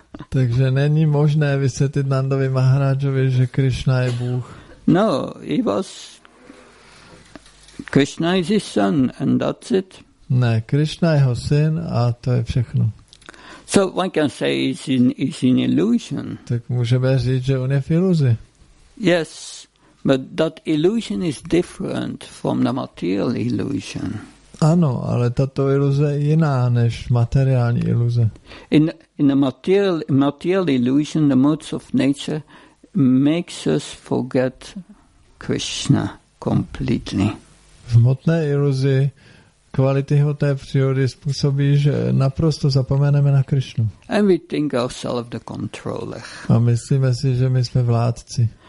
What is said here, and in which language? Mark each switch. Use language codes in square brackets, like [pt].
[cs] Takže není možné vysvětlit Nandovi Maharajovi, že Krishna je Bůh. [en] No, he was Krishna is his son and that's it. [cs] Ne, Krishna je jeho syn a to je všechno. [en] So one can say he's in illusion. [cs] Tak můžeme říct, že on je v iluzi. [en] Yes, but that illusion is different from the material illusion. [cs] Ano, ale tato iluze je jiná než materiální iluze. [en] In the material illusion, the modes of nature makes us forget Krishna completely. [cs] V hmotné iluzi kvality hmoté přírody způsobí, že naprosto zapomeneme na Krishnu. [en] And we think ourselves the controller. [cs] A myslíme si, že my jsme vládci.